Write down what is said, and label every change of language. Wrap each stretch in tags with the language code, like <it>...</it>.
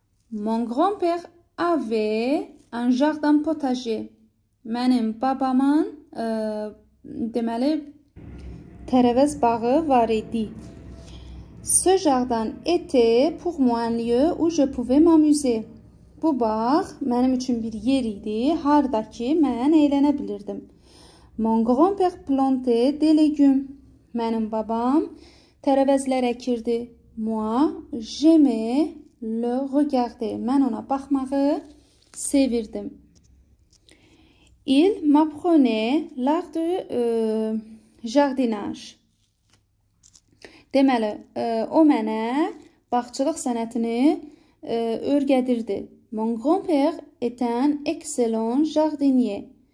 <fr>Mon grand-père avait un jardin potager.</fr> <az>Mənim babamın deməli tərəvəz bağı var idi.</az> <fr>Ce jardin était pour moi un lieu où je pouvais m'amuser.</fr> <az>Bu bağ mənim üçün bir yer idi, harda ki mən əylənə bilirdim.</az> <fr>Mon grand-père plantait des légumes.</fr> <az>Mənim babam tərəvəzlər əkirdi.</az> <fr>Moi, j'aimais le regarder.</fr> <az>Mən ona baxmağı sevirdim.</az> <fr>Il m'apprenait l'art de jardinage.</fr> <az>Deməli, o mənə bağçılıq sənətini öyrədirdi.</az> <fr>Mon grand-père est un excellent jardinier.</fr>